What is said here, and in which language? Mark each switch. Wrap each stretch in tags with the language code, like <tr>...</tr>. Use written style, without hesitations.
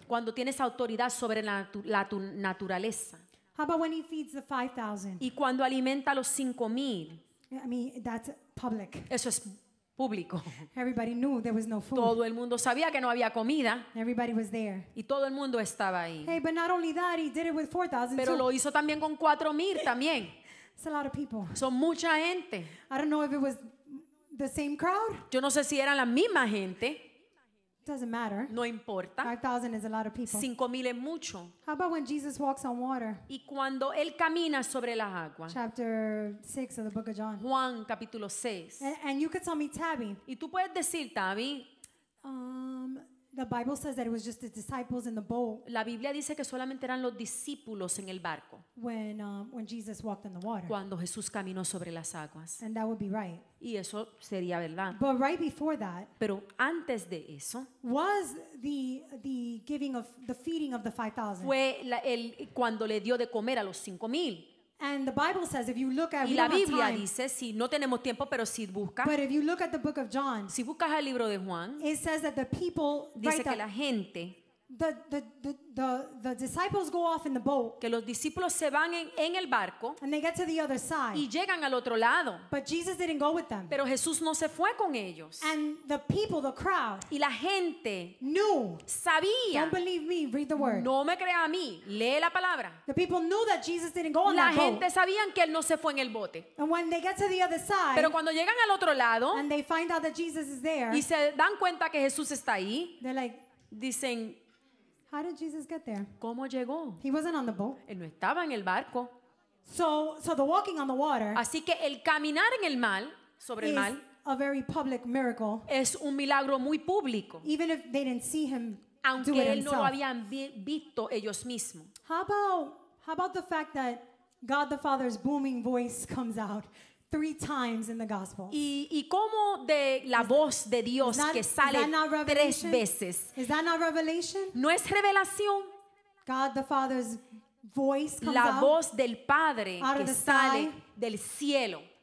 <es>Cuando tienes autoridad sobre la naturaleza.</es> <en>How about when he feeds the 5,000?</en> <es>Y cuando alimenta a los 5,000.</es> <en>I mean, that's public.</en> <es>Eso es público.</es> <en>Everybody knew there was no food.</en> <es>Todo el mundo sabía que no había comida.</es> <en>Everybody was there.</en> <es>Y todo el mundo estaba ahí.</es> <en>Hey, but not only that, he did it with 4,000.</en> <es>Pero lo hizo también con 4,000 también.</es> <en>It's a lot of people.</en> <es>Son mucha gente.</es> <en>I don't know if it was the same crowd.</en> <es>Yo no sé si eran la misma gente.</es> <en>It doesn't matter.</en> <es>No importa.</es> <en>5,000 is a lot of people.</en> <es>5,000 es mucho.</es> <en>How about when Jesus walks on water?</en> <es>Y cuando él camina sobre las aguas.</es> <en>Chapter 6 of the book of John.</en> <es>Juan capítulo 6.</es> <en>And you could tell me Tabby.</en> <es>Y tú puedes decir Tabby.</es> <en>The Bible says that it was just the disciples in the boat.</en> <es>La Biblia dice que solamente eran los discípulos en el barco.</es> <en>When Jesus walked on the water.</en> <es>Cuando Jesús caminó sobre las aguas.</es> <en>And that would be right.</en> <es>Y eso sería verdad.</es> <en>But right before that.</en> <es>Pero antes de eso.</es> <en>Was the giving of the feeding of the 5,000.</en> <es>Fue cuando le dio de comer a los 5,000.</es> <en>And the Bible says if you look at</en> <es>y la Biblia dice si no tenemos tiempo pero si buscas</es> <en>but if you look at the book of John</en> <es>si buscas el libro de Juan</es> <en>it says that the people</en> <es>dice right, que la gente</es> <en>the disciples go off in the boat</en> <es>que los discípulos se van en el barco</es> <en>and they get to the other side</en> <es>y llegan al otro lado</es> <en>but Jesus didn't go with them</en> <es>pero Jesús no se fue con ellos</es> <en>and the people the crowd</en> <es>y la gente</es> <en>knew</en> <es>sabía</es> <en>don't believe me read the word</en> <es>no me crea a mí lee la palabra</es> <en>the people knew that Jesus didn't go on</en> <es>la gente sabían que él no se fue en el bote</es> <en>and when they get to the other side</en> <es>pero cuando llegan al otro lado</es> <en>and they find out that Jesus is there</en> <es>y se dan cuenta que Jesús está ahí</es> <en>they're like</en> <es>dicen</es> <en>how did Jesus get there?</en> <es>¿Cómo llegó?</es> <en>He wasn't on the boat.</en> <es>Él no estaba en el barco.</es> <en>So the walking on the water.</en> <es>Así que el caminar en el mal, sobre el mal,</es> <en>a very public miracle.</en> <es>Es un milagro muy público.</es> <en>Even if they didn't see him</en> <es>aunque</es> <en>do it</en> <es>él</es> <en>himself.</en> <es>No lo habían visto ellos mismos.</es> <en>How about the fact that God the Father's booming voice comes out 3 times in the gospel?</en> <es>Y cómo de la voz de Dios que sale 3 veces.</es> <en>Is that not revelation?</en> <es>No es revelación.</es> <en>God the Father's voice comes</en> <es>la voz del Padre que sale del cielo.</es>